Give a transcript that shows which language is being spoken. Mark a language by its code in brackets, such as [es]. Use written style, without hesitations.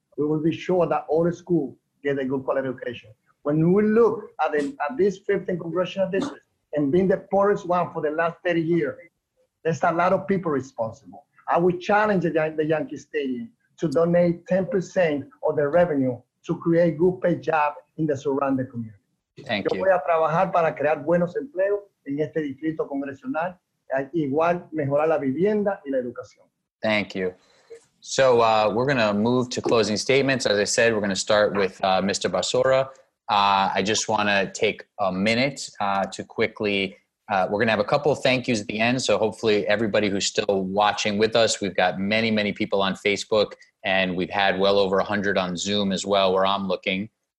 [en] We will be sure that all the schools get a good quality education. When we look at this 15th congressional district and being the poorest one for the last 30 years, there's a lot of people responsible. I would challenge the Yankee Stadium to donate 10% of the revenue to create good paid job in the surrounding community. Thank [es] Yo [en] you. [es] Yo voy a trabajar para crear buenos empleos en este distrito congresional, igual mejorar la vivienda y la educación. [en] Thank you. So we're going to move to closing statements. As I said, we're going to start with Mr. Basora. I just want to take a minute to quickly, we're going to have a couple of thank yous at the end. So hopefully everybody who's still watching with us, we've got many, many people on Facebook and we've had well over 100 on Zoom as well where I'm looking.